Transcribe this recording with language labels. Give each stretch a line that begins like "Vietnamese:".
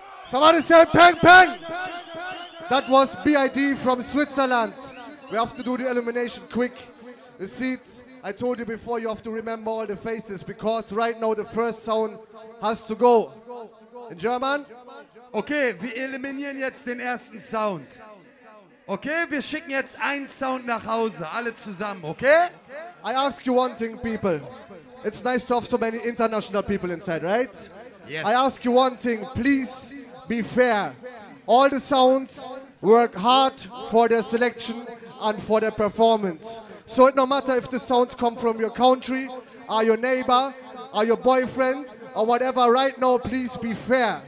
English: Somebody say peng peng. That was B.I.D. from Switzerland. We have to do the elimination quick. The seats, I told you before, you have to remember all the faces because right now the first sound has to go. In German?
German: Okay, wir eliminieren jetzt den ersten Sound. Okay, wir schicken jetzt einen Sound nach Hause, alle zusammen, okay?
English: I ask you one thing, people. It's nice to have so many international people inside, right? Yes. I ask you one thing, please be fair. All the sounds work hard for their selection and for their performance. So it no matter if the sounds come from your country, are your neighbor, are your boyfriend, or whatever, right now, please be fair.